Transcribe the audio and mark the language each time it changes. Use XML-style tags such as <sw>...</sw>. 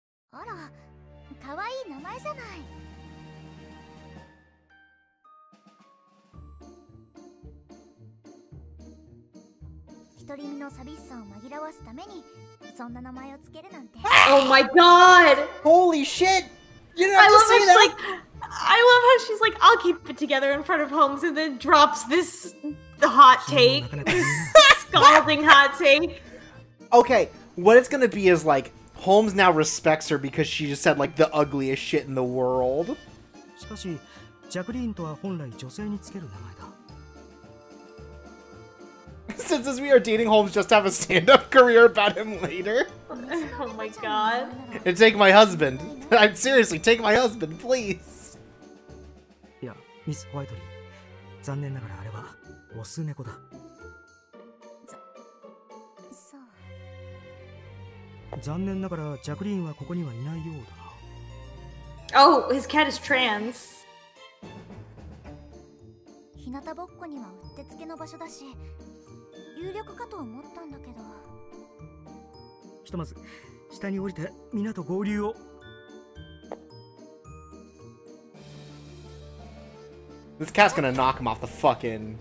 <ja>あら、かわいい名前じゃない。独り身の寂しさを紛らわすために、そんな名前をつけるなんて。</ja> <en>Oh my god! Holy shit! You didn't have to say that! I love how she's like, I'll keep it together in front of Holmes and then drops this hot take. Scalding hot take. Okay, what it's gonna be is like, Holmes now respects her because she just said like the ugliest shit in the world.</en> <ja>しかし、ジャクリーンとは本来女性につける名前だ。</ja> <en>Since we are dating Holmes, just have a stand-up career about him later. Oh my god. And take my husband. I'm seriously, take my husband, please. Yeah, Miss Whiteley.</en> <ja>残念ながらあれはオス猫だ。残念ながらジャクリーンはここにはいないようだな。</ja> <en>Oh, his cat is trans.</en> <ja>日向ぼっこにはうってつけの場所だし、有力かと思ったんだけど。ひとまず下に降りて皆と合流を。</ja> <en>This cat's gonna knock him off the fucking.</en>